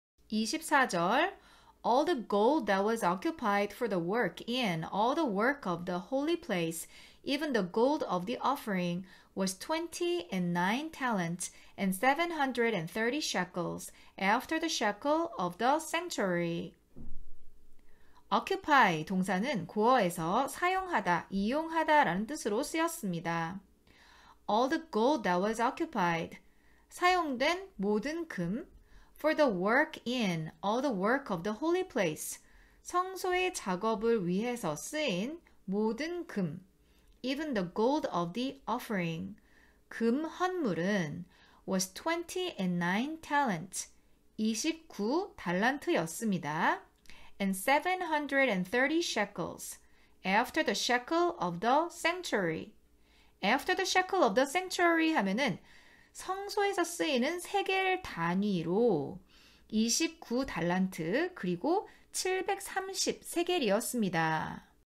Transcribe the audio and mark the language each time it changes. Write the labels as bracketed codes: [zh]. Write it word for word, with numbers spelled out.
[ko] 이십사 절 [en] All the gold that was occupied for the work in all the work of the holy place, even the gold of the offering, was twenty and nine talents and seven hundred and thirty shekels after the shekel of the sanctuary. [ko] occupy 동사는 고어에서 사용하다, 이용하다 라는 뜻으로 쓰였습니다. [en] All the gold that was occupied, [ko] 사용된 모든 금, [en] for the work in all the work of the holy place, [ko] 성소의 작업을 위해서 쓰인 모든 금, [en] even the gold of the offering, [ko] 금 헌물은 [en] was twenty and nine talents, [ko] 이십구 달란트였습니다. [en] And seven hundred thirty shekels after the shekel of the sanctuary. After the shekel of the sanctuary [ko] 하면은 성소에서 쓰이는 세겔 단위로 이십구 달란트 그리고 칠백삼십 세겔이었습니다.